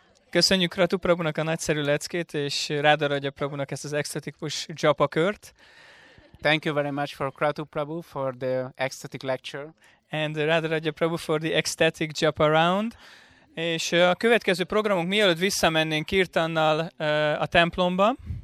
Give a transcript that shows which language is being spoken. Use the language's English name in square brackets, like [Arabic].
[Hungarian] Köszönjük Ratu Prabhunak a nagyszerű leckét, és Radha Raja Prabhunak ezt az extatikus japa kört. [English] Thank you very much for Kratu Prabhu for the ecstatic lecture. And Radha Raja Prabhu for the ecstatic japa round. [Hungarian] És a következő programunk, mielőtt visszamennénk Kirtannal a templomba.